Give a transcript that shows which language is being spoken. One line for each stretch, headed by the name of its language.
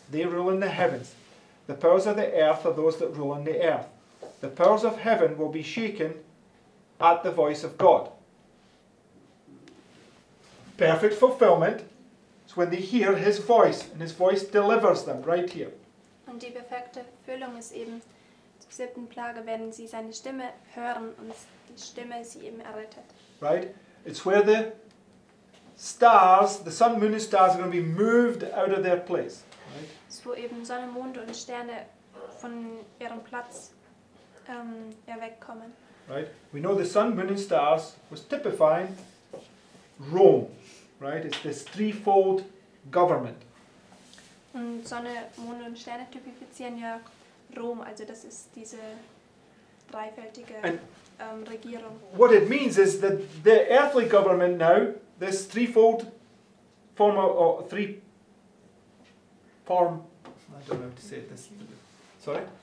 English: They rule in the heavens. The powers of the earth are those that rule in the earth. The powers of heaven will be shaken at the voice of God. Perfect fulfillment. So when they hear his voice, and his voice delivers them right here.
German: Und die perfekte Füllung ist eben zur siebten Plage, wenn sie seine Stimme hören und die Stimme sie eben errettet.
English: Right? It's where the stars, the sun, moon and stars are going to be moved out of their place. Right?
German: So eben Sonne, Mond und Sterne von ihrem Platz wegkommen.
English: Right? We know the sun, moon and stars was typifying Rome. Right, it's this threefold government.
German: Und Sonne, Mond und Sterne typifizieren ja Rom, also das ist diese dreifältige Regierung.
English: What it means is that the earthly government now, this threefold form of or three form, I don't know how to say it. This, sorry.